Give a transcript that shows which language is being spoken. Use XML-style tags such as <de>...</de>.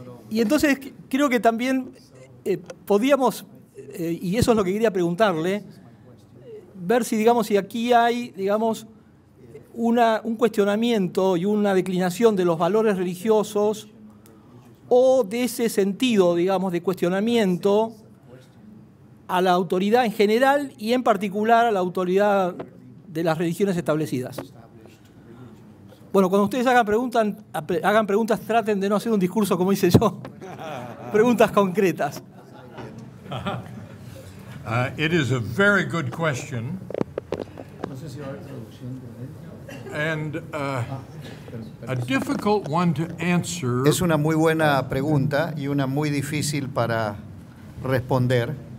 <es>Y entonces creo que también podíamos, y eso es lo que quería preguntarle, ver si aquí hay, digamos, un cuestionamiento y una declinación de los valores religiosos o de ese sentido, digamos, de cuestionamiento a la autoridad en general y en particular a la autoridad de las religiones establecidas. Bueno, cuando ustedes hagan preguntas, traten de no hacer un discurso como hice yo. Preguntas concretas.</es> <en>It is a very good question. And a difficult one to answer.</en> <es>Es una muy buena pregunta y una muy difícil para responder.</es>